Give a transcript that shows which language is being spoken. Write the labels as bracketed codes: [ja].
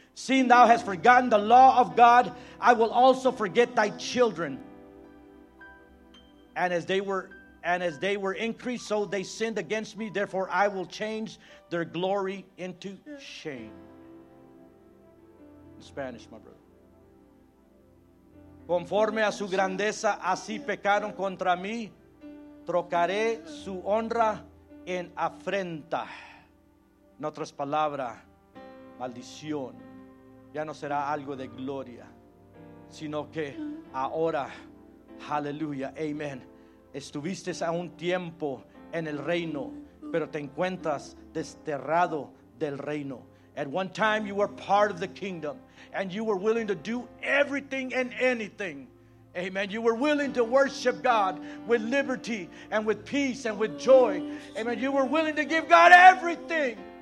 [en] Seeing thou hast forgotten the law of God, I will also forget thy children. And as they were increased, so they sinned against me. Therefore I will change their glory into shame. In Spanish, my brother. [es] Conforme a su grandeza, así pecaron contra mí. Trocaré su honra en afrenta. En otras palabras, maldición. Ya no será algo de gloria, sino que ahora, aleluya, amén. Estuviste a un tiempo en el reino, pero te encuentras desterrado del reino. [en] At one time you were part of the kingdom and you were willing to do everything and anything. Amen. You were willing to worship God with liberty and with peace and with joy. Amen. You were willing to give God everything.